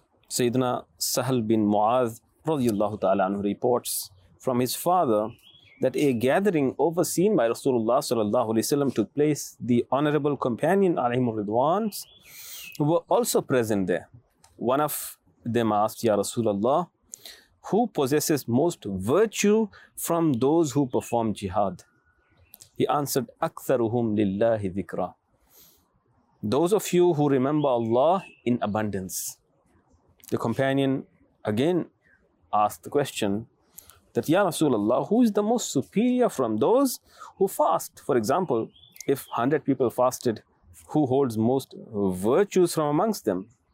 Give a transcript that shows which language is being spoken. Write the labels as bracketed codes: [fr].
[en] Sayyidina Sahal bin Mu'adh radiyallahu ta'ala anhu reports from his father that a gathering overseen by Rasulullah sallallahu alayhi wa sallam took place. The honorable companion alayhim ridwan were also present there. One of them asked, Ya Rasulullah, who possesses most virtue from those who perform jihad? He answered, [ar] أَكْثَرُهُمْ لِلَّهِ ذِكْرًا. [en] Those of you who remember Allah in abundance. The companion again asked the question that, Ya Rasulullah, who is the most superior from those who fast? For example, if 100 people fasted, who holds most virtues from amongst them?